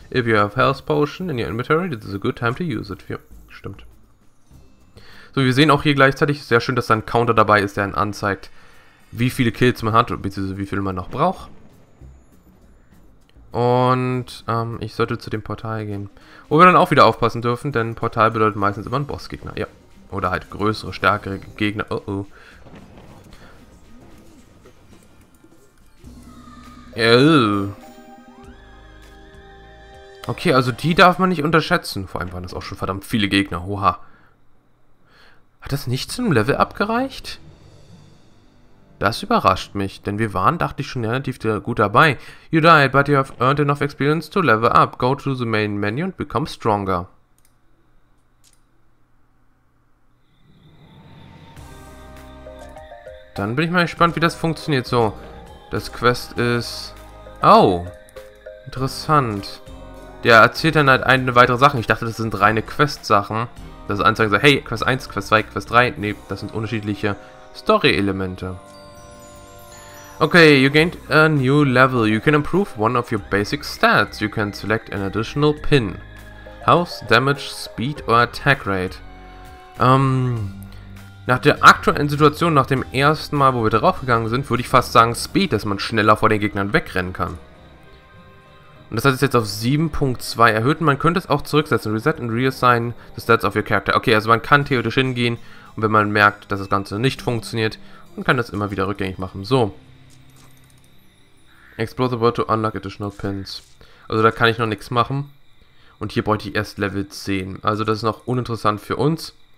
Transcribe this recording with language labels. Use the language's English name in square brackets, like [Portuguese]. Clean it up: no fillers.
[English] If you have health potion in your inventory, this is a good time to use it. [German] Ja, stimmt. So, wir sehen auch hier gleichzeitig sehr schön, dass da ein Counter dabei ist, der einen anzeigt, wie viele Kills man hat, beziehungsweise wie viel man noch braucht. Und ich sollte zu dem Portal gehen. Wo wir dann auch wieder aufpassen dürfen, denn Portal bedeutet meistens immer ein Bossgegner. Ja. Oder halt größere, stärkere Gegner. Oh oh. Okay, also die darf man nicht unterschätzen. Vor allem waren das auch schon verdammt viele Gegner. Oha. Hat das nicht zum Level-Up gereicht? Das überrascht mich, denn wir waren, dachte ich, schon relativ gut dabei. [English] You died, but you have earned enough experience to level up. Go to the main menu and become stronger. [German] Dann bin ich mal gespannt, wie das funktioniert. So, das Quest ist. Oh, interessant. Der erzählt dann halt eine weitere Sache. Ich dachte, das sind reine Quest-Sachen. Das Anzeigen sagt, hey, Quest 1, Quest 2, Quest 3. Nee, das sind unterschiedliche Story-Elemente. [English] Okay, you gained a new level. You can improve one of your basic stats. You can select an additional pin. Health, Damage, Speed or Attack Rate. [German] Nach der aktuellen Situation, nach dem ersten Mal, wo wir draufgegangen sind, würde ich fast sagen Speed, dass man schneller vor den Gegnern wegrennen kann. Und das hat es jetzt auf 7.2 erhöht und man könnte es auch zurücksetzen. [English] Reset and reassign the stats of your character. [German] Okay, also man kann theoretisch hingehen und wenn man merkt, dass das Ganze nicht funktioniert, dann kann das immer wieder rückgängig machen. So. [English] Explore the world to unlock additional pins. [German] Also da kann ich noch nichts machen. Und hier bräuchte ich erst Level 10. Also das ist noch uninteressant für uns.